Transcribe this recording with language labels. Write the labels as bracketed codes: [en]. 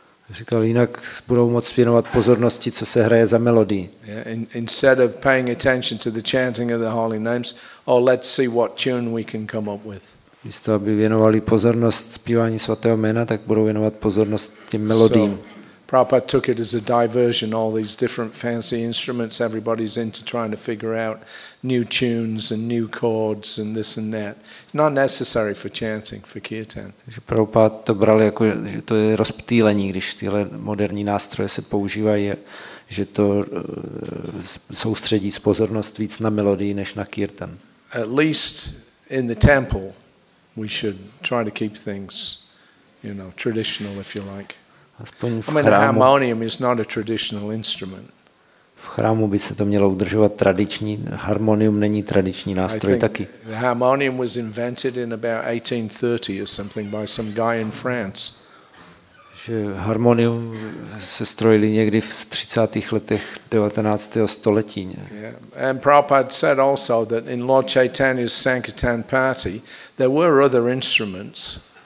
[cs] Říkal, jinak budou moc věnovat pozornosti, co se hraje za melodii. [en] Yeah, instead of paying attention to the chanting of the holy names, or let's see what tune we can come up with. [cs] Místo aby věnovali pozornost zpívání svatého jména, tak budou věnovat pozornost těm melodiím. [en] So, Prabhupada took it as a diversion, all these different fancy instruments everybody's into trying to figure out new tunes and new chords and this and that. Not necessary for chanting, for kirtan. [cs] Takže Prabhupada to bral jako, že to je rozptýlení, když tyhle moderní nástroje se používají, že to soustředí pozornost víc na melodii než na kirtan. [en] At least in the temple we should try to keep things, you know, traditional if you like. [cs] Aspoň v chrámu. [en] I mean, the harmonium is not a traditional instrument. [cs] V chrámu by se to mělo udržovat tradiční, harmonium není tradiční nástroj taky. [en] The harmonium was invented in about 1830 or something by some guy in France. [cs] Že harmonium se strojili někdy v 30. letech 19. století. [en] Yeah. And Prabhupada said also that in Lord Chaitanya's Sankirtan party there were other instruments.